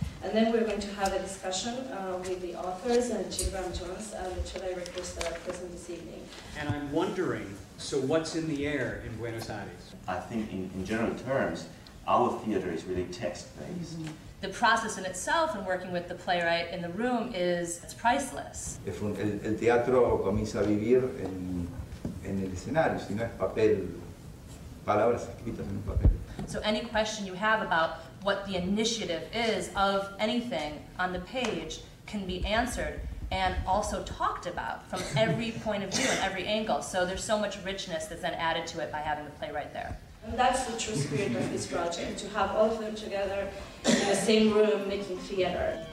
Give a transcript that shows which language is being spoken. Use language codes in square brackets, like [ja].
[en] And then we're going to have a discussion with the authors and Jim Graham Jones, the 2 directors that are present this evening. And I'm wondering, so what's in the air in Buenos Aires? I think in general terms, our theater is really text-based. Mm-hmm. The process in itself and working with the playwright in the room is priceless. [es] El teatro comienza a vivir en el escenario, si no es papel, palabras escritas en un papel. [en] So any question you have about what the initiative is of anything on the page can be answered and also talked about from every point of view and every angle. So there's so much richness that's then added to it by having the playwright there. And that's the true spirit of this project, to have all of them together in the same room making theater.